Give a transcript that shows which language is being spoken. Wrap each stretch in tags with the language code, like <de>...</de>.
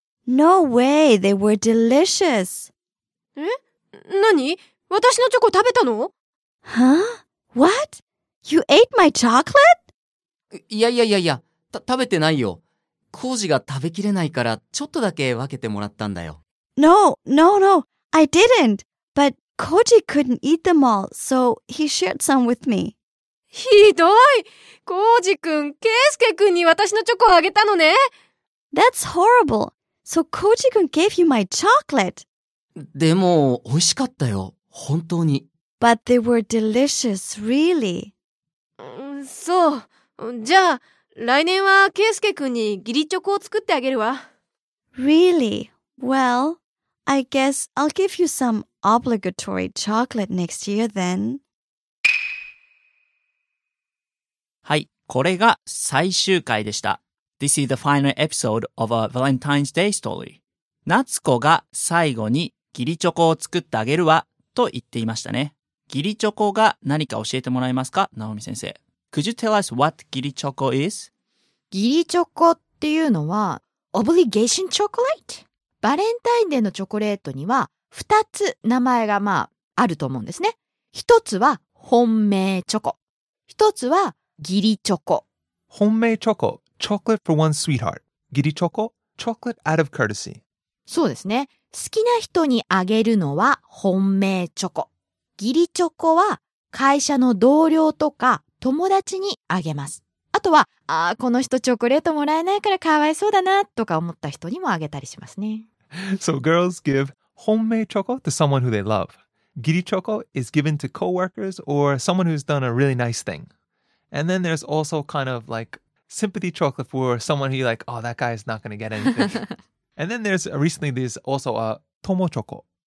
<en>No way, they were delicious.</en> <ja>え？何？私のチョコ食べたの？</ja> <en>Huh? What? You ate my chocolate?</en> <ja>いやいやいやいや、食べてないよ。コウジが食べきれないからちょっとだけ分けてもらったんだよ。</ja> <en>No, no, no, I didn't. But Koji couldn't eat them all, so he shared some with me.</en> <ja>ひどい！コウジくん、ケイスケくんに私のチョコをあげたのね。</ja> <en>That's horrible. So Koji くん gave you my chocolate.</en> <ja>でも美味しかったよ、本当に。</ja> <en>But they were delicious, really.</en> <ja>そう。じゃあ、来年はケイスケくんにギリチョコを作ってあげるわ。</ja> <en>Really? Well, I guess I'll give you some obligatory chocolate next year then.</en> <ja>はい、これが最終回でした。</ja> <en>This is the final episode of a Valentine's Day story.</en> <ja>夏子が最後にギリチョコを作ってあげるわと言っていましたね。ギリチョコが何か教えてもらえますか、直美先生。</ja> <en>Could you tell us what ギリチョコ is?</en> <ja>ギリチョコっていうのは</ja> <en>obligation chocolate?</en> <ja>バレンタインデーのチョコレートには2つ名前がまああると思うんですね。 1つは本命チョコ。1つはギリチョコ。</ja> <en>本命チョコ、chocolate for one sweetheart. ギリチョコ、chocolate out of courtesy.</en> <ja>そうですね。好きな人にあげるのは本命チョコ。ギリチョコは会社の同僚とか友達にあげます。あとは、ああこの人チョコレートもらえないからかわいそうだなとか思った人にもあげたりしますね。</ja> <en>So girls give 本命チョコ to someone who they love. ギリチョコ is given to coworkers or someone who's done a really nice thing. And then there's also kind of like sympathy chocolate for someone who you like, oh that guy's not gonna get anything. And then there's recently there's also a 友チョコ。</en>